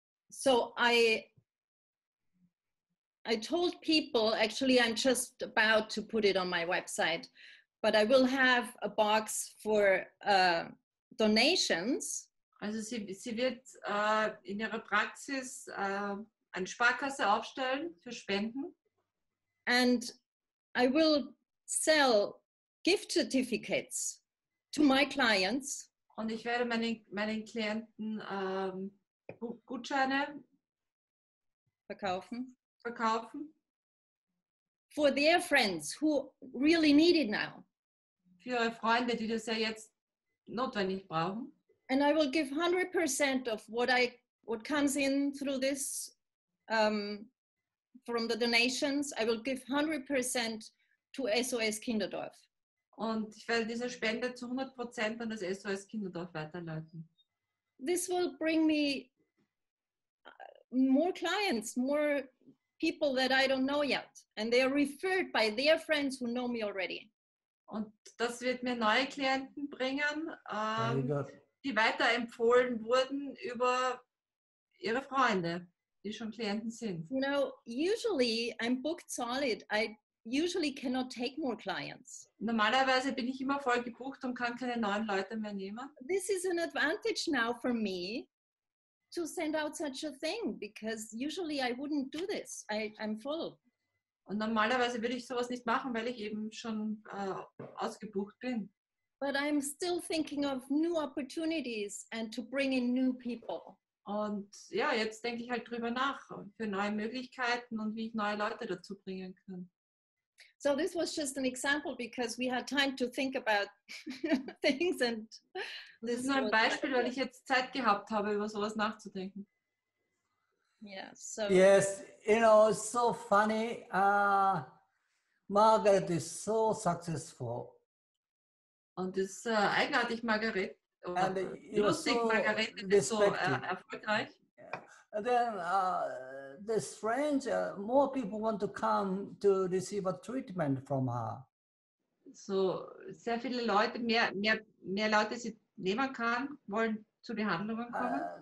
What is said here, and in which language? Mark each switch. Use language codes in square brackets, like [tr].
[en] So I told people, actually, I'm just about to put it on my website, but I will have a box for donations. [de] Also sie wird in ihrer Praxis eine Sparkasse aufstellen für Spenden. [en] And I will sell gift certificates to my clients. [de] Und ich werde meinen Klienten Gutscheine verkaufen. [en] For their friends who really need it now. [de] Für ihre Freunde, die das ja jetzt notwendig brauchen. [en] And I will give 100% of what comes in through this from the donations. I will give 100% to SOS Kinderdorf. [de] Und ich werde diese Spende zu 100% an das SOS Kinderdorf weiterleiten. [en] This will bring me more clients, more people that I don't know yet, and they are referred by their friends who know me already. [de] Und das wird mir neue Klienten bringen, die weiterempfohlen wurden über ihre Freunde, die schon Klienten sind. [en] You know, usually I'm booked solid. I usually cannot take more clients. [de] Normalerweise bin ich immer voll gebucht und kann keine neuen Leute mehr nehmen. [en] This is an advantage now for me to send out such a thing, because usually I wouldn't do this. I'm full. [de] Und normalerweise würde ich sowas nicht machen, weil ich eben schon ausgebucht bin. [en] But I'm still thinking of new opportunities and to bring in new people. [de] Und ja, jetzt denke ich halt drüber nach, für neue Möglichkeiten und wie ich neue Leute dazu bringen kann. [en] So this was just an example, because we had time to think about things, and this is [de] ein Beispiel, weil ich jetzt Zeit gehabt habe, über sowas nachzudenken. [en] Yes, you know, it's so funny. Margaret is so successful. [de] Und das ist eigenartig, Margaret. Und lustig, so Margaret ist so erfolgreich. [en] And then the strange, more people want to come to receive a treatment from her. [de] So, sehr viele Leute, mehr Leute, sie nehmen kann, wollen zu Behandlungen kommen.